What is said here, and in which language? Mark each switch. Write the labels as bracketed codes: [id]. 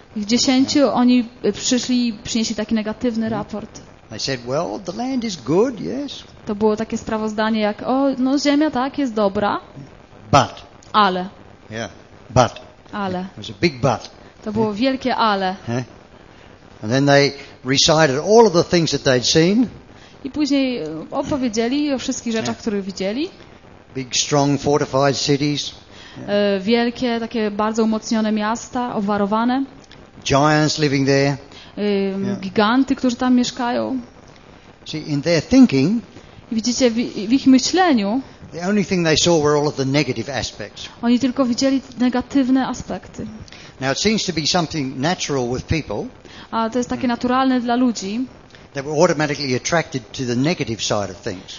[pl] Ich 10 oni przynieśli taki negatywny raport. [en] They said, well, the land is good, yes. [pl] To było takie sprawozdanie jak: o, no ziemia tak jest dobra. [en] But. [pl] Ale. [en] Yeah. But. [pl] Ale. [en] It was a big but. [pl] To było wielkie ale. [en] Yeah. And then they recited all of the things that they'd seen. [pl] I później opowiedzieli o wszystkich rzeczach, które widzieli. [en] Big, strong, fortified cities. [pl] Wielkie, takie bardzo umocnione miasta, obwarowane. [en] Giants living there. [pl] Giganty, którzy tam mieszkają. [en] See, in their thinking, [pl] i widzicie, w ich myśleniu, [en] the only thing they saw were all of the negative aspects. [pl] Oni tylko widzieli negatywne aspekty. [en] Now it seems to be something natural with people. [pl] A to jest takie naturalne dla ludzi. [en] They were automatically attracted to the negative side of things.